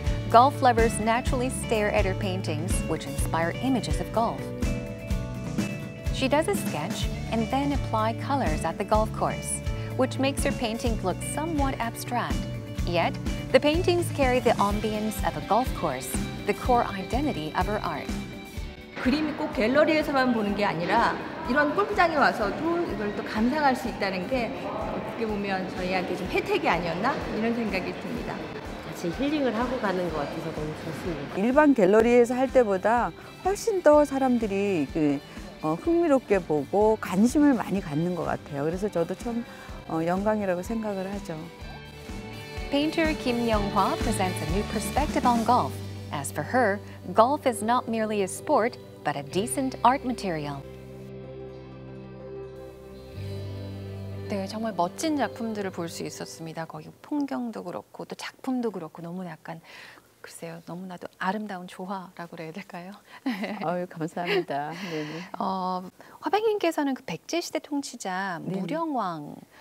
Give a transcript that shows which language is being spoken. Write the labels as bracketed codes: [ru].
[en] Golf lovers naturally stare at her paintings, which inspire images of golf. She does a sketch and then apply colors at the golf course, which makes her painting look somewhat abstract. Yet, the paintings carry the ambience of a golf course, the core identity of her art. [ko] 그림이 꼭 갤러리에서만 보는 게 아니라 이런 골프장에 와서도 이걸 또 감상할 수 있다는 게 어떻게 보면 저희한테 좀 혜택이 아니었나 이런 생각이 듭니다. 같이 힐링을 하고 가는 것 같아서 너무 좋습니다. 일반 갤러리에서 할 때보다 훨씬 더 사람들이 그 흥미롭게 보고 관심을 많이 갖는 것 같아요. 그래서 저도 참 영광이라고 생각을 하죠. [en] Painter Kim Young-hwa presents a new perspective on golf. As for her, golf is not merely a sport, but a decent art material. [ko] 네, 정말 멋진 작품들을 볼 수 있었습니다. 거기 풍경도 그렇고 또 작품도 그렇고 너무나 약간 글쎄요, 너무나도 아름다운 조화라고 해야 될까요? 아유, 감사합니다. 화백님께서는 그 백제 시대 통치자 무령왕.